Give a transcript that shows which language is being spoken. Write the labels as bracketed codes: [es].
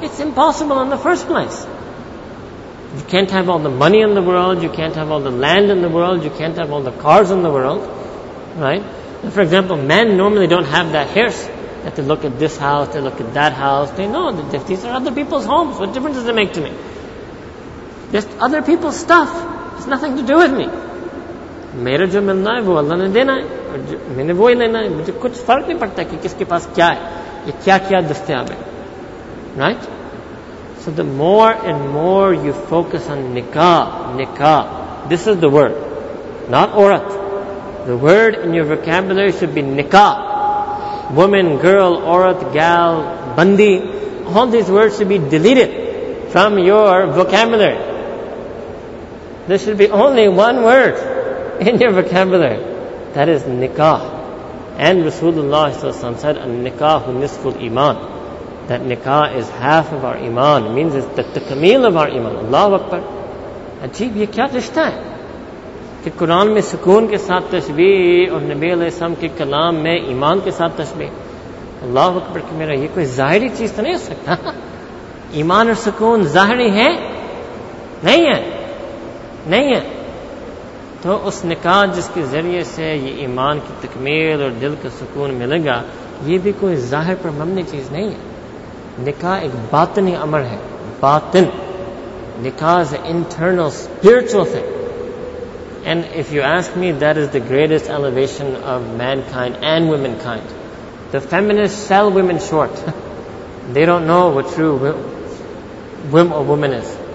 [en] It's impossible in the first place. You can't have all the money in the world, you can't have all the land in the world, you can't have all the cars in the world, right? And for example, men normally don't have that hirs, that they look at this house, they look at that house, they know that these are other people's homes, what difference does it make to me? Just other people's stuff, it's nothing to do with me. [ur] میرا جو ملنا ہے، وہ اللہ نے دینا ہے، اور میں نے وہ ہی لینا ہے، مجھے کچھ فرق نہیں پڑتا کہ کسکے پاس کیا ہے، یہ کیا کیا دستیاب ہے، right? [en] So the more and more you focus on nikah, this is the word, not aurat. The word in your vocabulary should be nikah. Woman, girl, aurat, gal, bandi, all these words should be deleted from your vocabulary. There should be only one word in your vocabulary, that is nikah. And Rasulullah said, [ar] "An-nikahu nisful iman." [en] That nikah is half of our iman. It means it's the takameel of our iman. [ar] Allahu Akbar. [ur] عجیب، یہ کیا رشتہ ہے؟ کہ قرآن میں سکون کے ساتھ تشبیہ اور نبی علیہ وسلم کے کلام میں ایمان کے ساتھ تشبیہ۔ اللہ اکبر کہ میرا یہ کوئی ظاہری چیز تو نہیں ہو سکتا۔ ایمان اور سکون ظاہری ہے؟ نہیں ہے۔ نہیں ہے۔ تو اس نکاح جسکے ذریعے سے یہ ایمان کی تکمیل اور دل کا سکون ملے گا، یہ بھی کوئی ظاہر پر ممنی چیز نہیں ہے۔ نکاح ایک باطنی امر ہے۔ Batin. [en] Nikah is an internal spiritual thing. And if you ask me, that is the greatest elevation of mankind and womankind. The feminists sell women short. They don't know what true whim of woman is.